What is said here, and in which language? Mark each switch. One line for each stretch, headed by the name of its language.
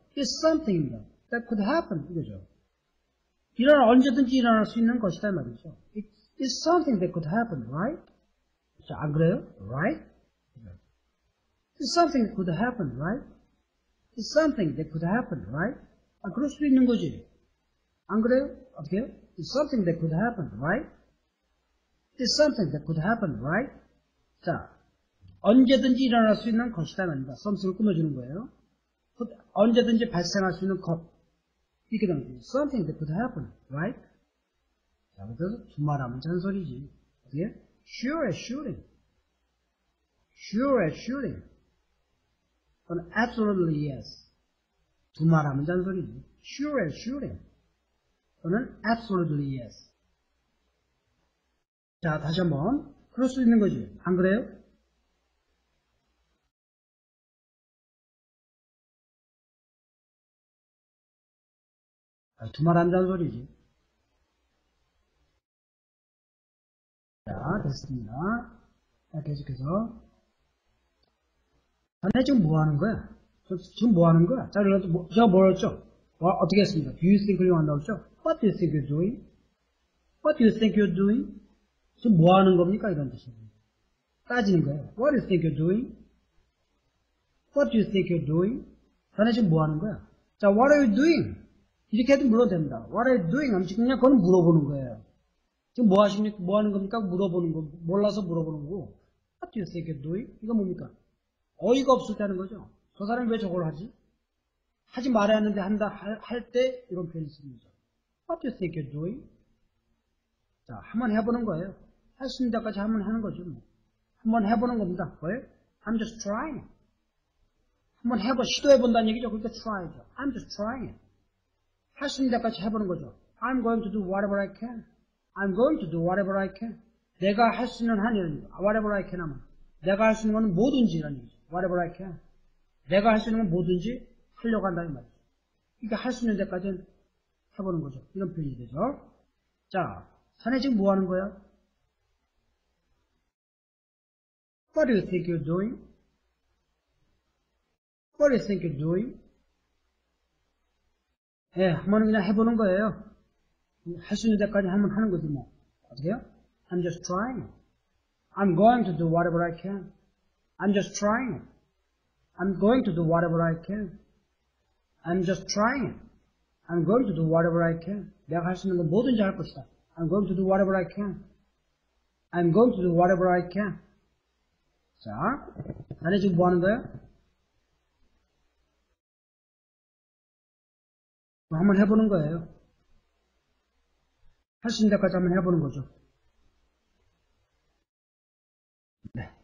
English: It's something입니다. That could happen,
Korean: 이거죠. 언제든지 일어날 수 있는 것이다, 말이죠.
English: It's something that could happen, right?
Korean: 자, 안 그래요?
English: Right? Something could happen, right? Something that could happen, right?
Korean: 아, 그럴 수도 있는 거지. 안 그래요? 어떻게요?
English: Something that could happen, right? There's something that could happen, right?
Korean: 자, 언제든지 일어날 수 있는 것이다는 겁니다. Something을 끊어주는 거예요. 언제든지 발생할 수 있는 것. 이렇게 되는 거죠. Something that could happen, right? 자, 그래서 두말하면 잔소리지. 어떻게?
English: Sure as shooting. Sure as shooting. But absolutely yes.
Korean: 두말하면 잔소리지.
English: Sure as shooting. 또는 absolutely yes.
Korean: 자, 다시 한번 그럴 수 있는 거지. 안 그래요? 두말한다는 소리지. 자, 됐습니다. 자, 계속해서. 자네 지금 뭐 하는 거야? 지금 뭐 하는 거야? 자, 제가 뭐 했죠? 뭐, 어떻게 했습니까?
English: Do you think you're
Korean: 한다고 했죠?
English: What do you think you're doing? What do you think you're doing?
Korean: 지금 뭐 하는 겁니까? 이런 뜻이에요. 따지는 거예요.
English: What do you think you're doing? What do you think you're doing?
Korean: 자네 지금 뭐 하는 거야? 자,
English: what are you doing?
Korean: 이렇게 해도 물어도 됩니다.
English: What are you doing?
Korean: 지금 그냥 그건 물어보는 거예요. 지금 뭐 하십니까? 뭐 하는 겁니까? 물어보는 거. 몰라서 물어보는 거고.
English: What do you think you're doing?
Korean: 이거 뭡니까? 어이가 없을 때 하는 거죠. 저 사람이 왜 저걸 하지? 하지 말아야 하는데 한다 할 때 이런 표현을 쓰는 거죠.
English: What do you think you're doing?
Korean: 자, 한번 해보는 거예요. 할 수 있는 데까지 한번 하는 거죠. 뭐. 한번 해보는 겁니다. 왜?
English: I'm just trying.
Korean: 한번 해보, 시도해본다는 얘기죠.
English: 그러니까 try죠. I'm just trying.
Korean: 할 수 있는 데까지 해보는 거죠.
English: I'm going to do whatever I can. I'm going to do whatever I can.
Korean: 내가 할 수 있는 한 일은
English: whatever I can
Korean: 하면 내가 할 수 있는 건 뭐든지 이런 일이죠.
English: Whatever I can.
Korean: 내가 할 수 있는 건 뭐든지 하려고 한다는 말이죠. 그러니까 할 수 있는 데까지는 해보는 거죠. 이런 표현이 되죠. 자, 자네 지금 뭐 하는 거야?
English: What do you think you're doing? What do you think you're doing?
Korean: 예, 한번 그냥 해보는 거예요. 할 수 있는 데까지 한번 하는 거지 뭐. 어떻게요?
English: I'm just trying. I'm going to do whatever I can. I'm just trying. I'm going to do whatever I can. I'm just trying. I'm going to do whatever I can.
Korean: 내가 할 수 있는 건 뭐든지 할 것이다.
English: I'm going to do whatever I can. I'm going to do whatever I can.
Korean: 자, 자네 지금 뭐 하는 거야? 한번 해보는 거예요. 할 수 있는 데까지 한번 해보는 거죠. 네.